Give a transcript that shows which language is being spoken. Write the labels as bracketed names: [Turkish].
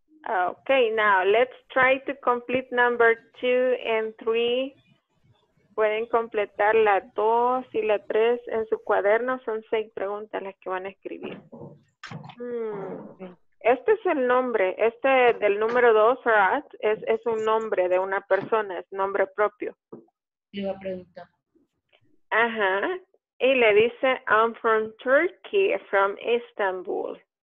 [English] Okay, now let's try to complete number 2 and 3. [Spanish] Pueden completar la 2 y la 3 en su cuaderno. Son 6 preguntas las que van a escribir. Este es el nombre. Este del número 2, Rat, es un nombre de una persona. Es nombre propio. Le iba a preguntar. Ajá. Y le dice, [English] I'm from Turkey, from Istanbul.